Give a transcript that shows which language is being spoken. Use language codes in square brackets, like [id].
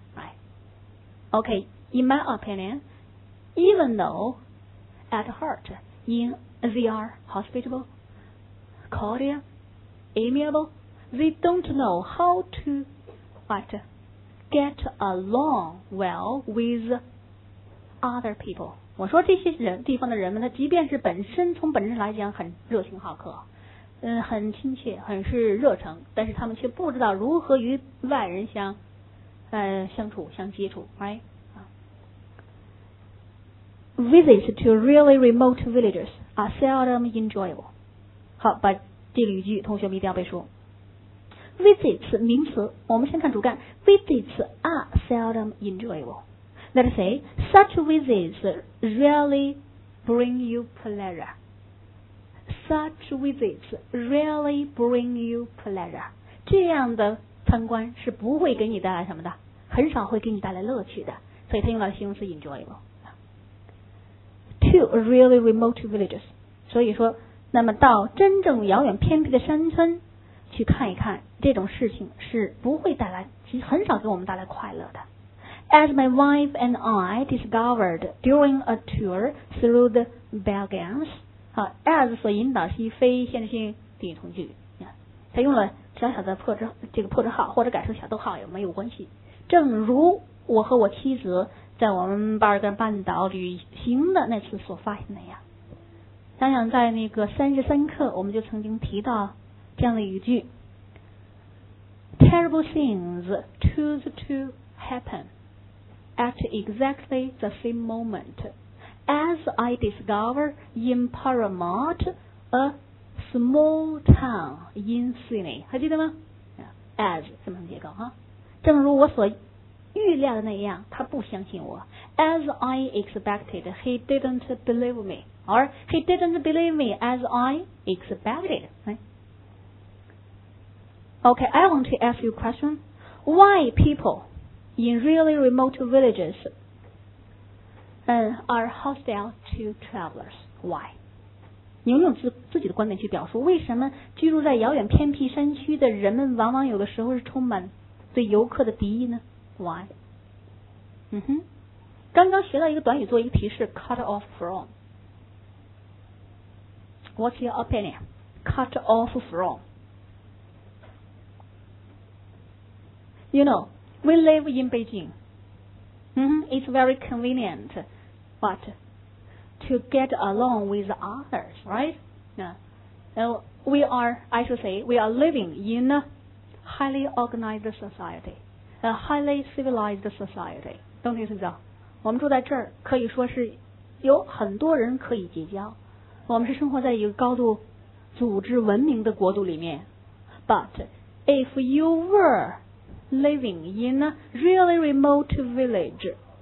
[en] Right？ Okay， in my opinion， even though at heart in they are hospitable， cordial， amiable， they don't know how to what get along well with other people。 [zh] 我说这些人地方的人们，他即便是本身从本质来讲很热情好客，很亲切，很是热诚，但是他们却不知道如何与外人相接触 ， [en] right？Visits to really remote villages are seldom enjoyable。 [zh] 好，把这个语句同学们一定要背熟。 Visits 名词，我们先看主干 ， [en] visits are seldom enjoyable。 Let's say such visits really bring you pleasure. Such visits really bring you pleasure. [zh] 这样的参观是不会给你带来什么的，很少会给你带来乐趣的。所以他用到的形容词 enjoyable. [en] To really remote villages. [zh] 所以说，那么到真正遥远偏僻的山村去看一看，这种事情是不会带来，其实很少给我们带来快乐的。 [en] As my wife and I discovered during a tour through the Balkans， [zh] as 所引导是非限制性定语从句，他用了小小的破折号或者改成小逗号也没有关系。正如我和我妻子在我们巴尔干半岛旅行的那次所发现的呀，想想在那个33课我们就曾经提到这样的语句 ： [en] Terrible things choose to happen。 At exactly the same moment as I discover in Paramount a small town in Sydney， [zh] 还记得吗 ？ [en] As [zh] 什么结构哈？正如我所预料的那样，他不相信我。 [en] As I expected, he didn't believe me， or he didn't believe me as I expected。 Okay， I want to ask you a question. Why people? In really remote villages, are hostile to travelers. Why? [zh] 你用自己的观点去表述，为什么居住在遥远偏僻山区的人们往往有的时候是充满对游客的敌意呢 ？Why？刚刚学到一个短语做一个提示 ， [en] cut off from。 What's your opinion? Cut off from. You know. We live in Beijing. It's very convenient, but to get along with others, right? We are living in a highly organized society, a highly civilized society. Don't you think so? [zh] 我们住在这儿，可以说是有很多人可以结交，我们是生活在一个高度组织文明的国度里面。 [en] But if you were living in a really remote village,